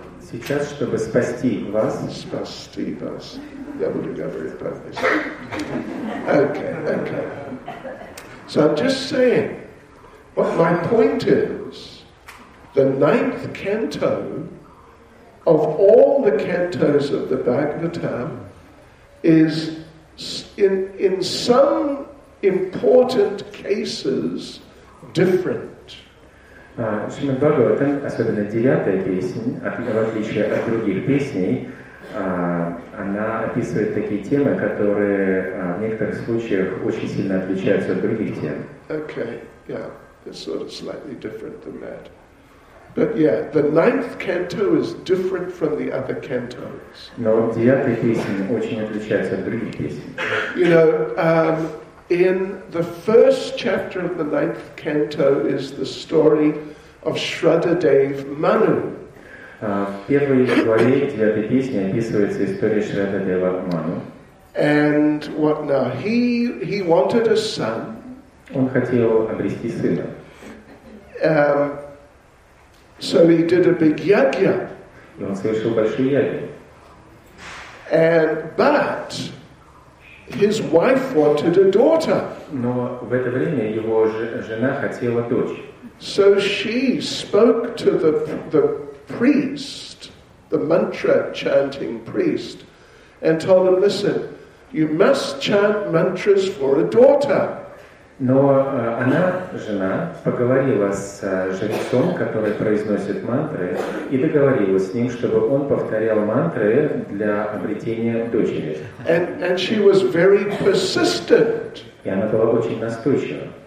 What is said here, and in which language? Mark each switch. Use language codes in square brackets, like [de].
[ru] Сейчас чтобы спасти вас. Спасибас. Я буду говорить по-английски. [en] Okay. So I'm just saying what my point is. The ninth canto. Of all the cantos of the Bhagavatam, is in some important cases different. [ru] Шримад Бхагаватам, особенно девятая песня, в отличие от других песней, она описывает такие темы, которые в некоторых случаях очень сильно отличаются от других тем. [en] Okay, yeah, it's sort of slightly different than that. But yeah, the ninth canto is different from the other cantos. [ru] Но девятая песня очень отличается от других песен. [en] You know, in the first chapter of the ninth canto is the story of Shraddhadev Manu. [ru] В первой главе девятой песни описывается история Шраддхадева Ману. [en] And what now? He wanted a son. [ru] Он хотел обрести сына. [en] So he did a big yagya. [ru] И он совершил большую ягью. [en] And but his wife wanted a daughter. [ru] Но в это время его жена хотела дочь. [en] So she spoke to the priest, the mantra chanting priest, and told him, "Listen, you must chant mantras for a daughter." [ru] Но она, жена, поговорила с жрецом, который произносит мантры, и договорилась с ним, чтобы он повторял мантры для обретения дочери. [en] And she was very persistent. [ru] И она была очень настойчива.